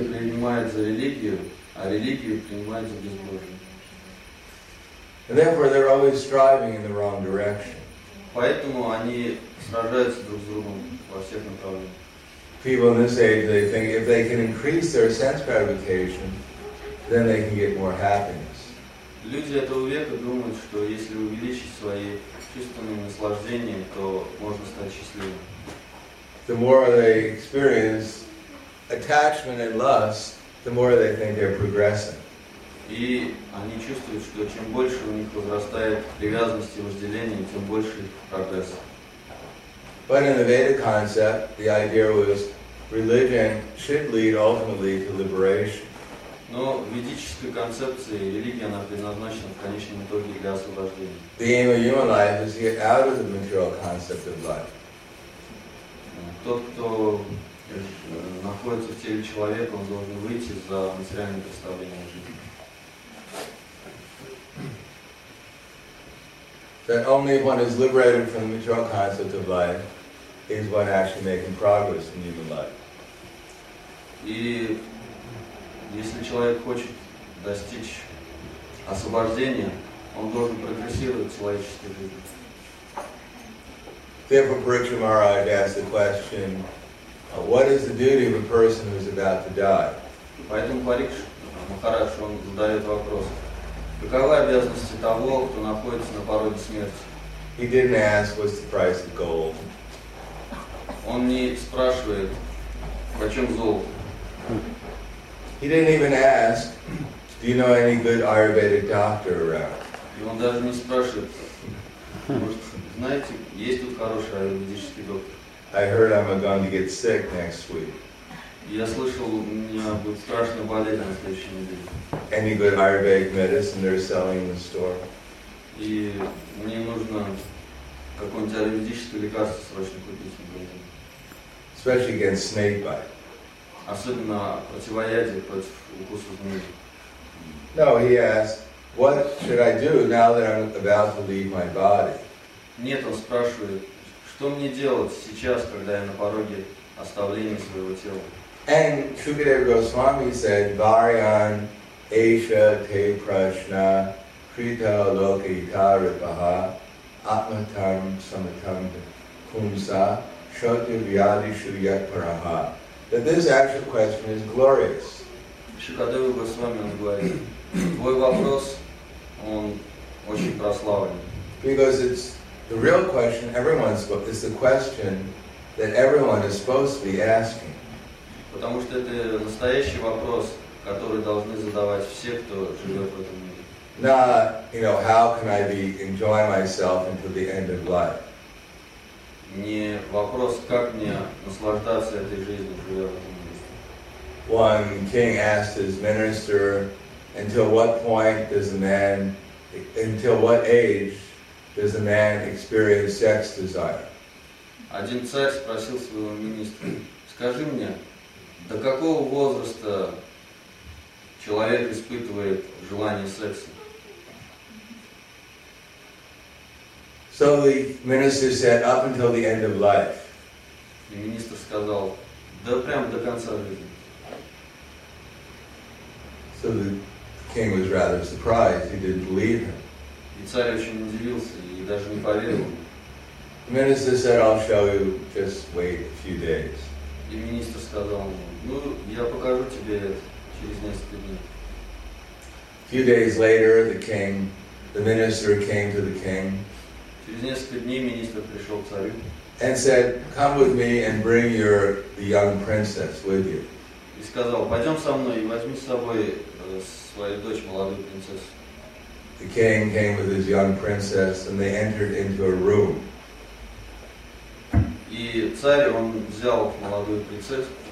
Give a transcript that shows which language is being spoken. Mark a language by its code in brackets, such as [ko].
[ru] принимают за религию, а религию принимают за безбожие. [en] And therefore, they're always striving in the wrong direction. [ru] Поэтому они сражаются друг с другом во всех направлениях. [en] People in this age, they think if they can increase their sense gratification, then they can get more happiness. [ru] Люди этого века думают, что если увеличить свои чувственные наслаждения, то можно стать счастливым. [en] The more they experience attachment and lust, the more they think they're progressing. [ru] И они чувствуют, что чем больше у них возрастает привязанность и вожделение, тем больше прогресс. [en] But in the Veda concept, the idea was religion should lead ultimately to liberation. [ru] Но в ведической концепции религия, она предназначена в конечном итоге для освобождения. [en] The aim of human life is to get out of the material concept of life. [ru] Тот, кто находится в теле человека, он должен выйти за материальное представление о жизни. [en] That only if one is liberated from the material concept of life is one actually making progress in human life. [ru] И если человек хочет достичь освобождения, он должен прогрессировать в человеческой жизни. [en] Therefore, Pariksit Maharaj asked the question, what is the duty of a person who is about to die? [ru] Поэтому Париксит Махарадж, он задает вопрос, каковы обязанности того, кто находится на пороге смерти? [en] He didn't ask what's the price of gold. [ru] Он не спрашивает, почем золото. [en] He didn't even ask, do you know any good Ayurvedic doctor around? [ru] И он даже не спрашивает, может, знаете, есть тут хороший аюрведический доктор? [en] I heard I'm going to get sick next week. [ru] Я слышал, у меня будет страшно болеть на следующей неделе. [en] Any good Ayurvedic medicine they're selling in the store? [ru] И мне нужно какое-нибудь аюрведическое лекарство срочно купить в магазине. [en] Especially against snake bite. [ru] Особенно противоядие против укуса змеи. [en] No, he asked, what should I do now that I'm about to leave my body? [ru] Нет, он спрашивает, что мне делать сейчас, когда я на пороге оставления своего тела. [en] And Shukadeva Goswami said, [sa] Varyan Esha Te Prashna Krita Loka Itaripaha Atmatam Samatam Kumsa Shoti Vyadishu Yakparaha. [en] That this actual question is glorious. [ru] Shukadeva Goswami говорит, твой вопрос, он очень прославлен. [en] Because it's the real question everyone's but is the question that everyone is supposed to be asking. [ru] Потому что это настоящий вопрос, который должны задавать все, кто живет в этом мире. [en] Not, you know, how can I be enjoying myself until the end of life? [ru] Не вопрос, как мне наслаждаться этой жизнью, живя в этом мире. [en] One king asked his minister, until what point does a man, until what age does a man experience sex desire? [ru] Один царь спросил своего министра, скажи мне, до какого возраста человек испытывает желание секса? [en] So the minister said, up until the end of life. [ru] И министр сказал, да прям до конца жизни. [en] So the king was rather surprised, he didn't believe him. [ru] И царь очень удивился и даже не поверил. [en] The minister said, I'll show you, just wait a few days. [ru] И министр сказал ему, ну, я покажу тебе это через несколько дней. [en] A few days later, the minister came to the king. [ru] Через несколько дней министр пришел к царю. [en] And said, come with me and bring the young princess with you. [ru] И сказал, пойдем со мной и возьми с собой свою дочь, молодую принцессу. [en] The king came with his young princess and they entered into a room. [ru] И царь, он взял молодую принцессу.